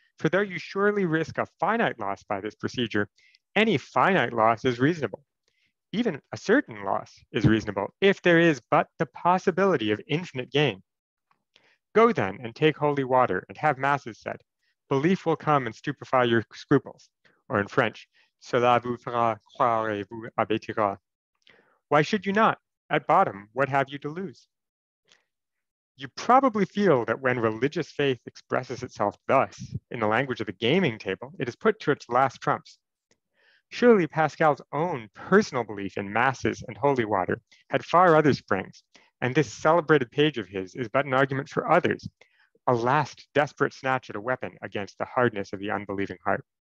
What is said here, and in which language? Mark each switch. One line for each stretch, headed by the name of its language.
English: for though you surely risk a finite loss by this procedure, any finite loss is reasonable. Even a certain loss is reasonable if there is but the possibility of infinite gain. Go then and take holy water and have masses said. Belief will come and stupefy your scruples. Or in French,
French: cela vous fera croire et vous abattira.
English: Why should you not? At bottom, what have you to lose? You probably feel that when religious faith expresses itself thus, in the language of the gaming table, it is put to its last trumps. Surely Pascal's own personal belief in masses and holy water had far other springs, and this celebrated page of his is but an argument for others, a last desperate snatch at a weapon against the hardness of the unbelieving heart.